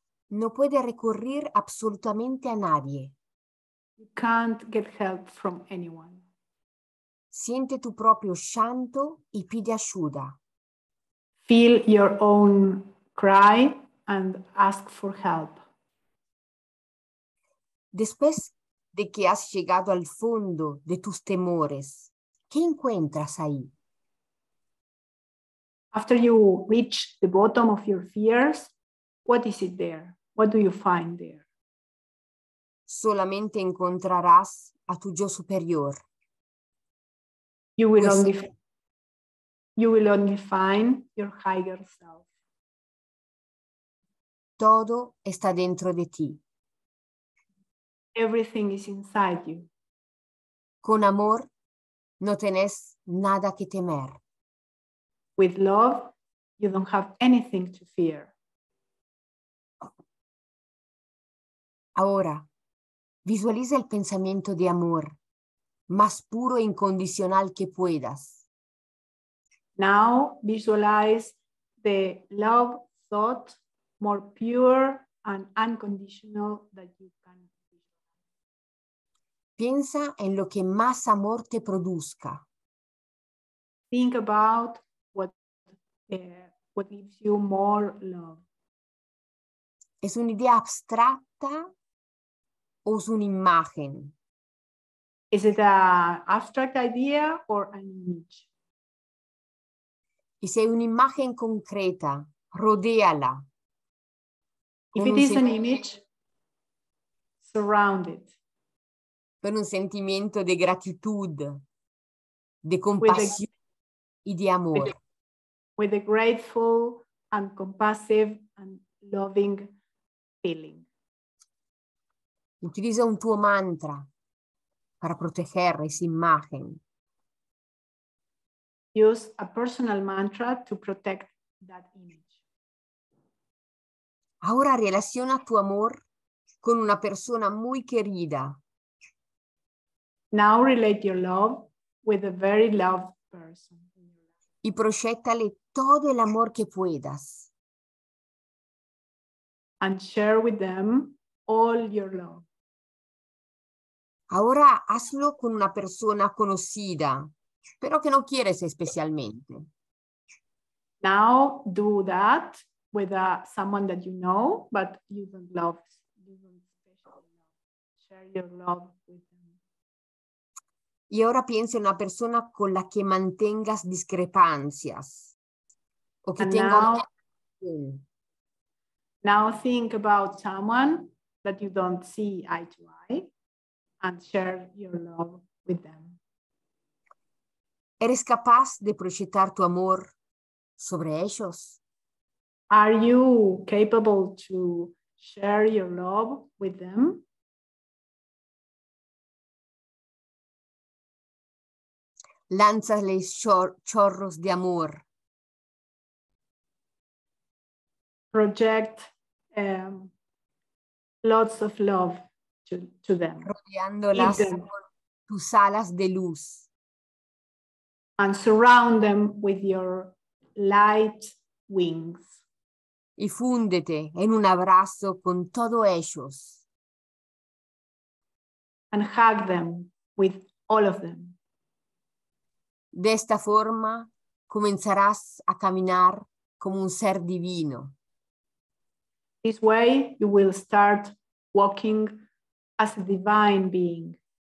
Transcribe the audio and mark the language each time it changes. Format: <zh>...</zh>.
<es>No puede recurrir absolutamente a nadie.</es> <en>You can't get help from anyone.</en> <es>Siente tu proprio llanto y pide ayuda.</es> <en>Feel your own cry and ask for help.</en> <es>Después de que has llegado al fondo de tus temores, ¿qué encuentras ahí?</es> <en>After you reach the bottom of your fears, what is it there? What do you find there?</en> <es>Solamente encontrarás a tu yo superior.</es> <en>You will only find your higher self.</en> <es>Todo está dentro de ti.</es> <en>Everything is inside you.</en> <es>Con amor, no tenés nada que temer.</es> <en>With love, you don't have anything to fear.</en> <es>Ahora, visualiza el pensamiento de amor más puro e incondicional que puedas.</es> <en>Now, visualize the love thought more pure and unconditional that you can.</en> <es>Piensa en lo que más amor te produzca.</es> <en>Think about what gives you more love.</en> <es>¿Es una idea abstracta o es una imagen?</es> <en>Is it an abstract idea or an image?</en> <es>Y si es una imagen concreta, rodéala.</es> <en>If it is an image, surround it.</en> <es>Con un sentimiento de gratitud, de compasión y de amor.</es> <en>With a grateful and compassive and loving feeling.</en> <es>Utiliza un tuo mantra para proteger esa imagen.</es> <en>Use a personal mantra to protect that image.</en> <es>Ahora relaciona tu amor con una persona muy querida.</es> <en>Now relate your love with a very loved person.</en> <es>Y proyectale todo el amor que puedas.</es> <en>And share with them all your love.</en> <es>Ahora hazlo con una persona conocida, pero que no quieres especialmente.</es> <en>Now do that with someone that you know, but you don't love. You don't especially love. Share your love with.</en> <es>Y ahora piensa en una persona con la que mantengas discrepancias. O que tenga.</es> <en>Now think about someone that you don't see eye to eye and share your love with them.</en> <es>¿Eres capaz de proyectar tu amor sobre ellos?</es> <en>Are you capable to share your love with them?</en> <es>Lánzale chorros de amor.</es> <en>Project lots of love to them.</en> <es>Rodeándolas con tus alas de luz.</es> <en>And surround them with your light wings.</en> <es>Y fúndete en un abrazo con todos ellos.</es> <en>And hug them with all of them.</en> <es>De esta forma, comenzarás a caminar como un ser divino.</es> <en>This way, you will start walking as a divine being.</en>